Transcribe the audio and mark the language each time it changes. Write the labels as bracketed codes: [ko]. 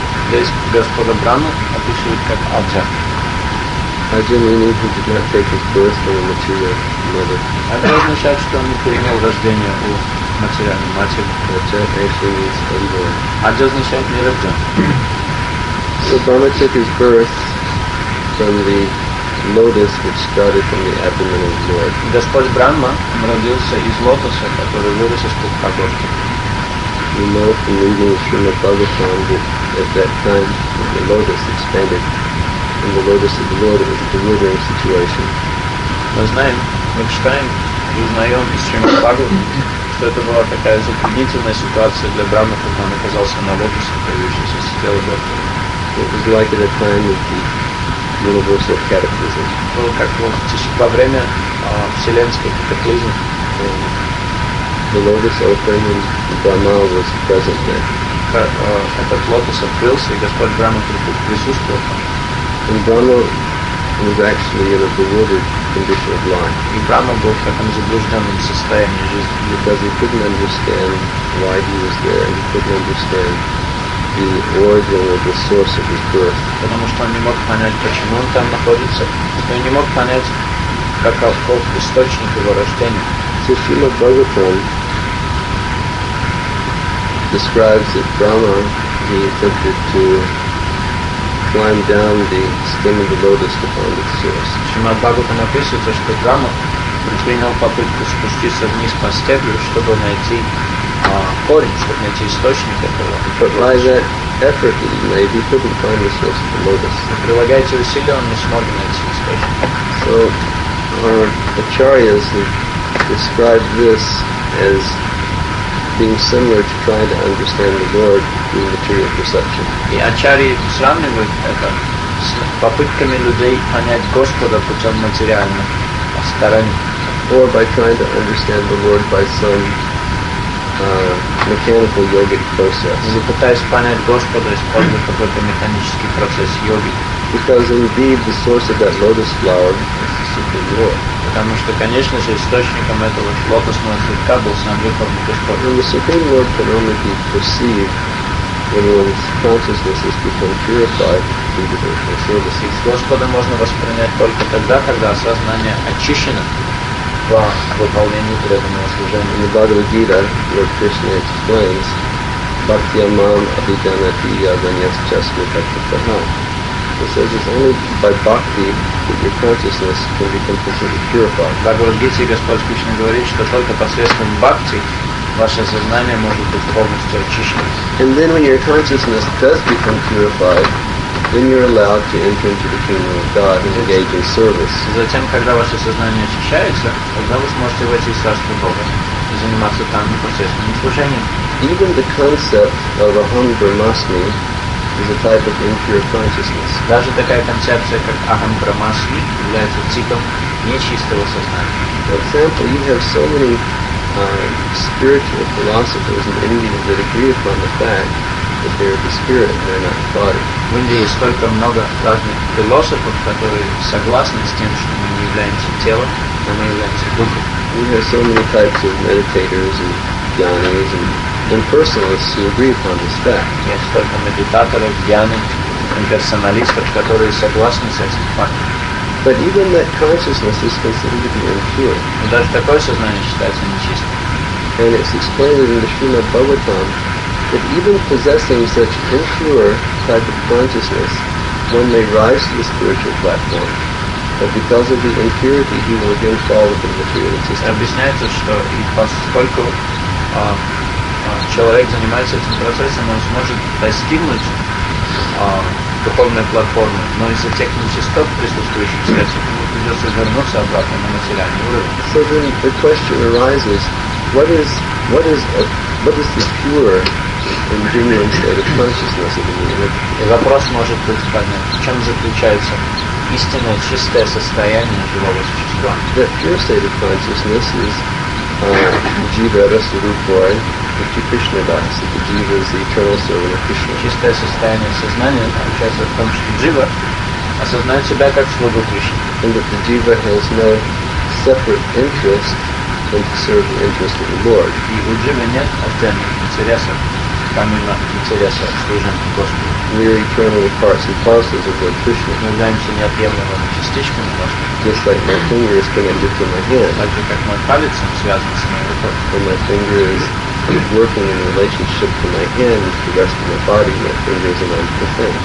[ru] Здесь Господа Брахма описывает как Ajna. [en] Ajna meaning he did not take his birth from a material mother. [ru] Ajna означает, что он не принял рождение у материальной матери. [en] Ajna actually means unborn. [ru] Ajna означает нерожден. [en] So Brahma took his birth from the lotus which started from the abdomen of the Lord. [ru] Господь Брахма родился из лотоса, который вырос из пупка Господа. [en] We know from reading the Srimad Bhagavatam that at that time when the lotus expanded from the lotus of the Lord, it was a bewildering situation. [ru] Мы знаем, мы читаем и узнаем из Srimad Bhagavatam, что это была такая затруднительная ситуация для Брахмы, когда он оказался на лотосе, появившемся с тела Господа. [en] It was like at a time of the universal cataclysm. [ru] Было как во время вселенской катаклизмы. [en] The lotus opened and Brahma was present there. [ru] Этот лотос открылся, и Господь Брахма присутствовал там. [en] And Brahma was actually in a bewildered condition of life. [ru] И Брахма был в таком заблужденном состоянии жизни. [en] Because he couldn't understand why he was there, and he couldn't understand the origin or the source of his birth. [ru] Потому что он не мог понять, почему он там находится, но не мог понять, каков источник его рождения. [en] So Srimad Bhagavatam describes that Brahma, he attempted to climb down the stem of the lotus to find its source. [ru] Srimad Bhagavatam описывается, что Брахма предпринял попытку спуститься вниз по стеблю, чтобы найти корень, чтобы найти источник этого. [en] But by that effort that he made, he couldn't find the source of the lotus. [ru] Прилагая эти усилия, он не смог найти источник. [en] So, acharyas describe this as being similar to trying to understand the Lord through material perception. [ru] И ачарьи сравнивают это с попытками людей понять Господа путем материальных стараний. [en] Or by trying to understand the Lord by some mechanical yogic process. [ru] Или пытаясь понять Господа, используя какой-то механический процесс йоги. [en] Because indeed the source of that lotus flower is the Supreme Lord. [ru] Потому что, конечно же, источником этого лотосного цветка был сам Верховный Господь. [en] And the Supreme Lord can only be perceived when one's consciousness has become purified through devotional service. [ru] Господа можно воспринять только тогда, когда сознание очищено по выполнению преданного служения. [en] In the Bhagavad Gita, Lord Krishna explains, [sa] Bhaktyamam abhijanati yaganyas chasmi bhaktyatahan. [en] It says it's only by bhakti that your consciousness can become completely purified. [ru] Bhagavad Gita, Господь Кришна говорит, что только посредством бхакти ваше сознание может быть полностью очищено. [en] And then when your consciousness does become purified, Then you're allowed to enter into the kingdom of God and engage in service. [ru] Затем, когда ваше сознание очищается, тогда вы сможете войти в Царство Бога и заниматься там непосредственным служением. [en] Even the concept of aham brahmasmi is a type of impure consciousness. [ru] Даже такая концепция, как aham brahmasmi, является типом нечистого сознания. [en] For example, you have so many spiritual philosophers in India that agree upon the fact that they are the spirit and they're not the body. [ru] В Индии столько много разных философов, которые согласны с тем, что мы не являемся телом, а мы являемся духом. [en] We have so many types of meditators and jnanis and impersonalists who agree upon this fact. [ru] Есть столько медитаторов, джнанов, имперсоналистов, которые согласны с этим фактом. [en] But even that consciousness is considered to be impure. [ru] Но даже такое сознание считается нечистым. [en] And it's explained in the Srimad Bhagavatam that even possessing such impure type of consciousness, one may rise to the spiritual platform, but because of the impurity, he will again fall within the material system. [ru] Объясняется, что и поскольку человек занимается этим процессом, он сможет достигнуть духовной платформы, но из-за тех нечистот, присутствующих в сердце, ему придется вернуться обратно на материальный уровень. [en] So then the question arises, what is the pure and genuine state of consciousness of the human? [ru] И вопрос может быть понят, в чем заключается истинное чистое состояние живого существа. [en] The pure state of consciousness is jiva rasarupai, the Krishna Das, the jiva is the eternal servant of Krishna. [ru] Чистое состояние сознания заключается в том, что jiva осознает себя как слугу Кришны. [en] And that the jiva has no separate interest than to serve the interest of the Lord. [ru] И у jiva нет отдельных интересов, помимо интереса служения Господу. [en] We are eternally parts and parcels of Lord Krishna. [ru] Мы являемся неотъемлемыми частичками Господа. [en] Just like my finger is connected to my hand. [ru] Так же, как мой палец связан с моей рукой. [en] And my finger is working in relationship to my hand, with the rest of my body, my fingers and my hand.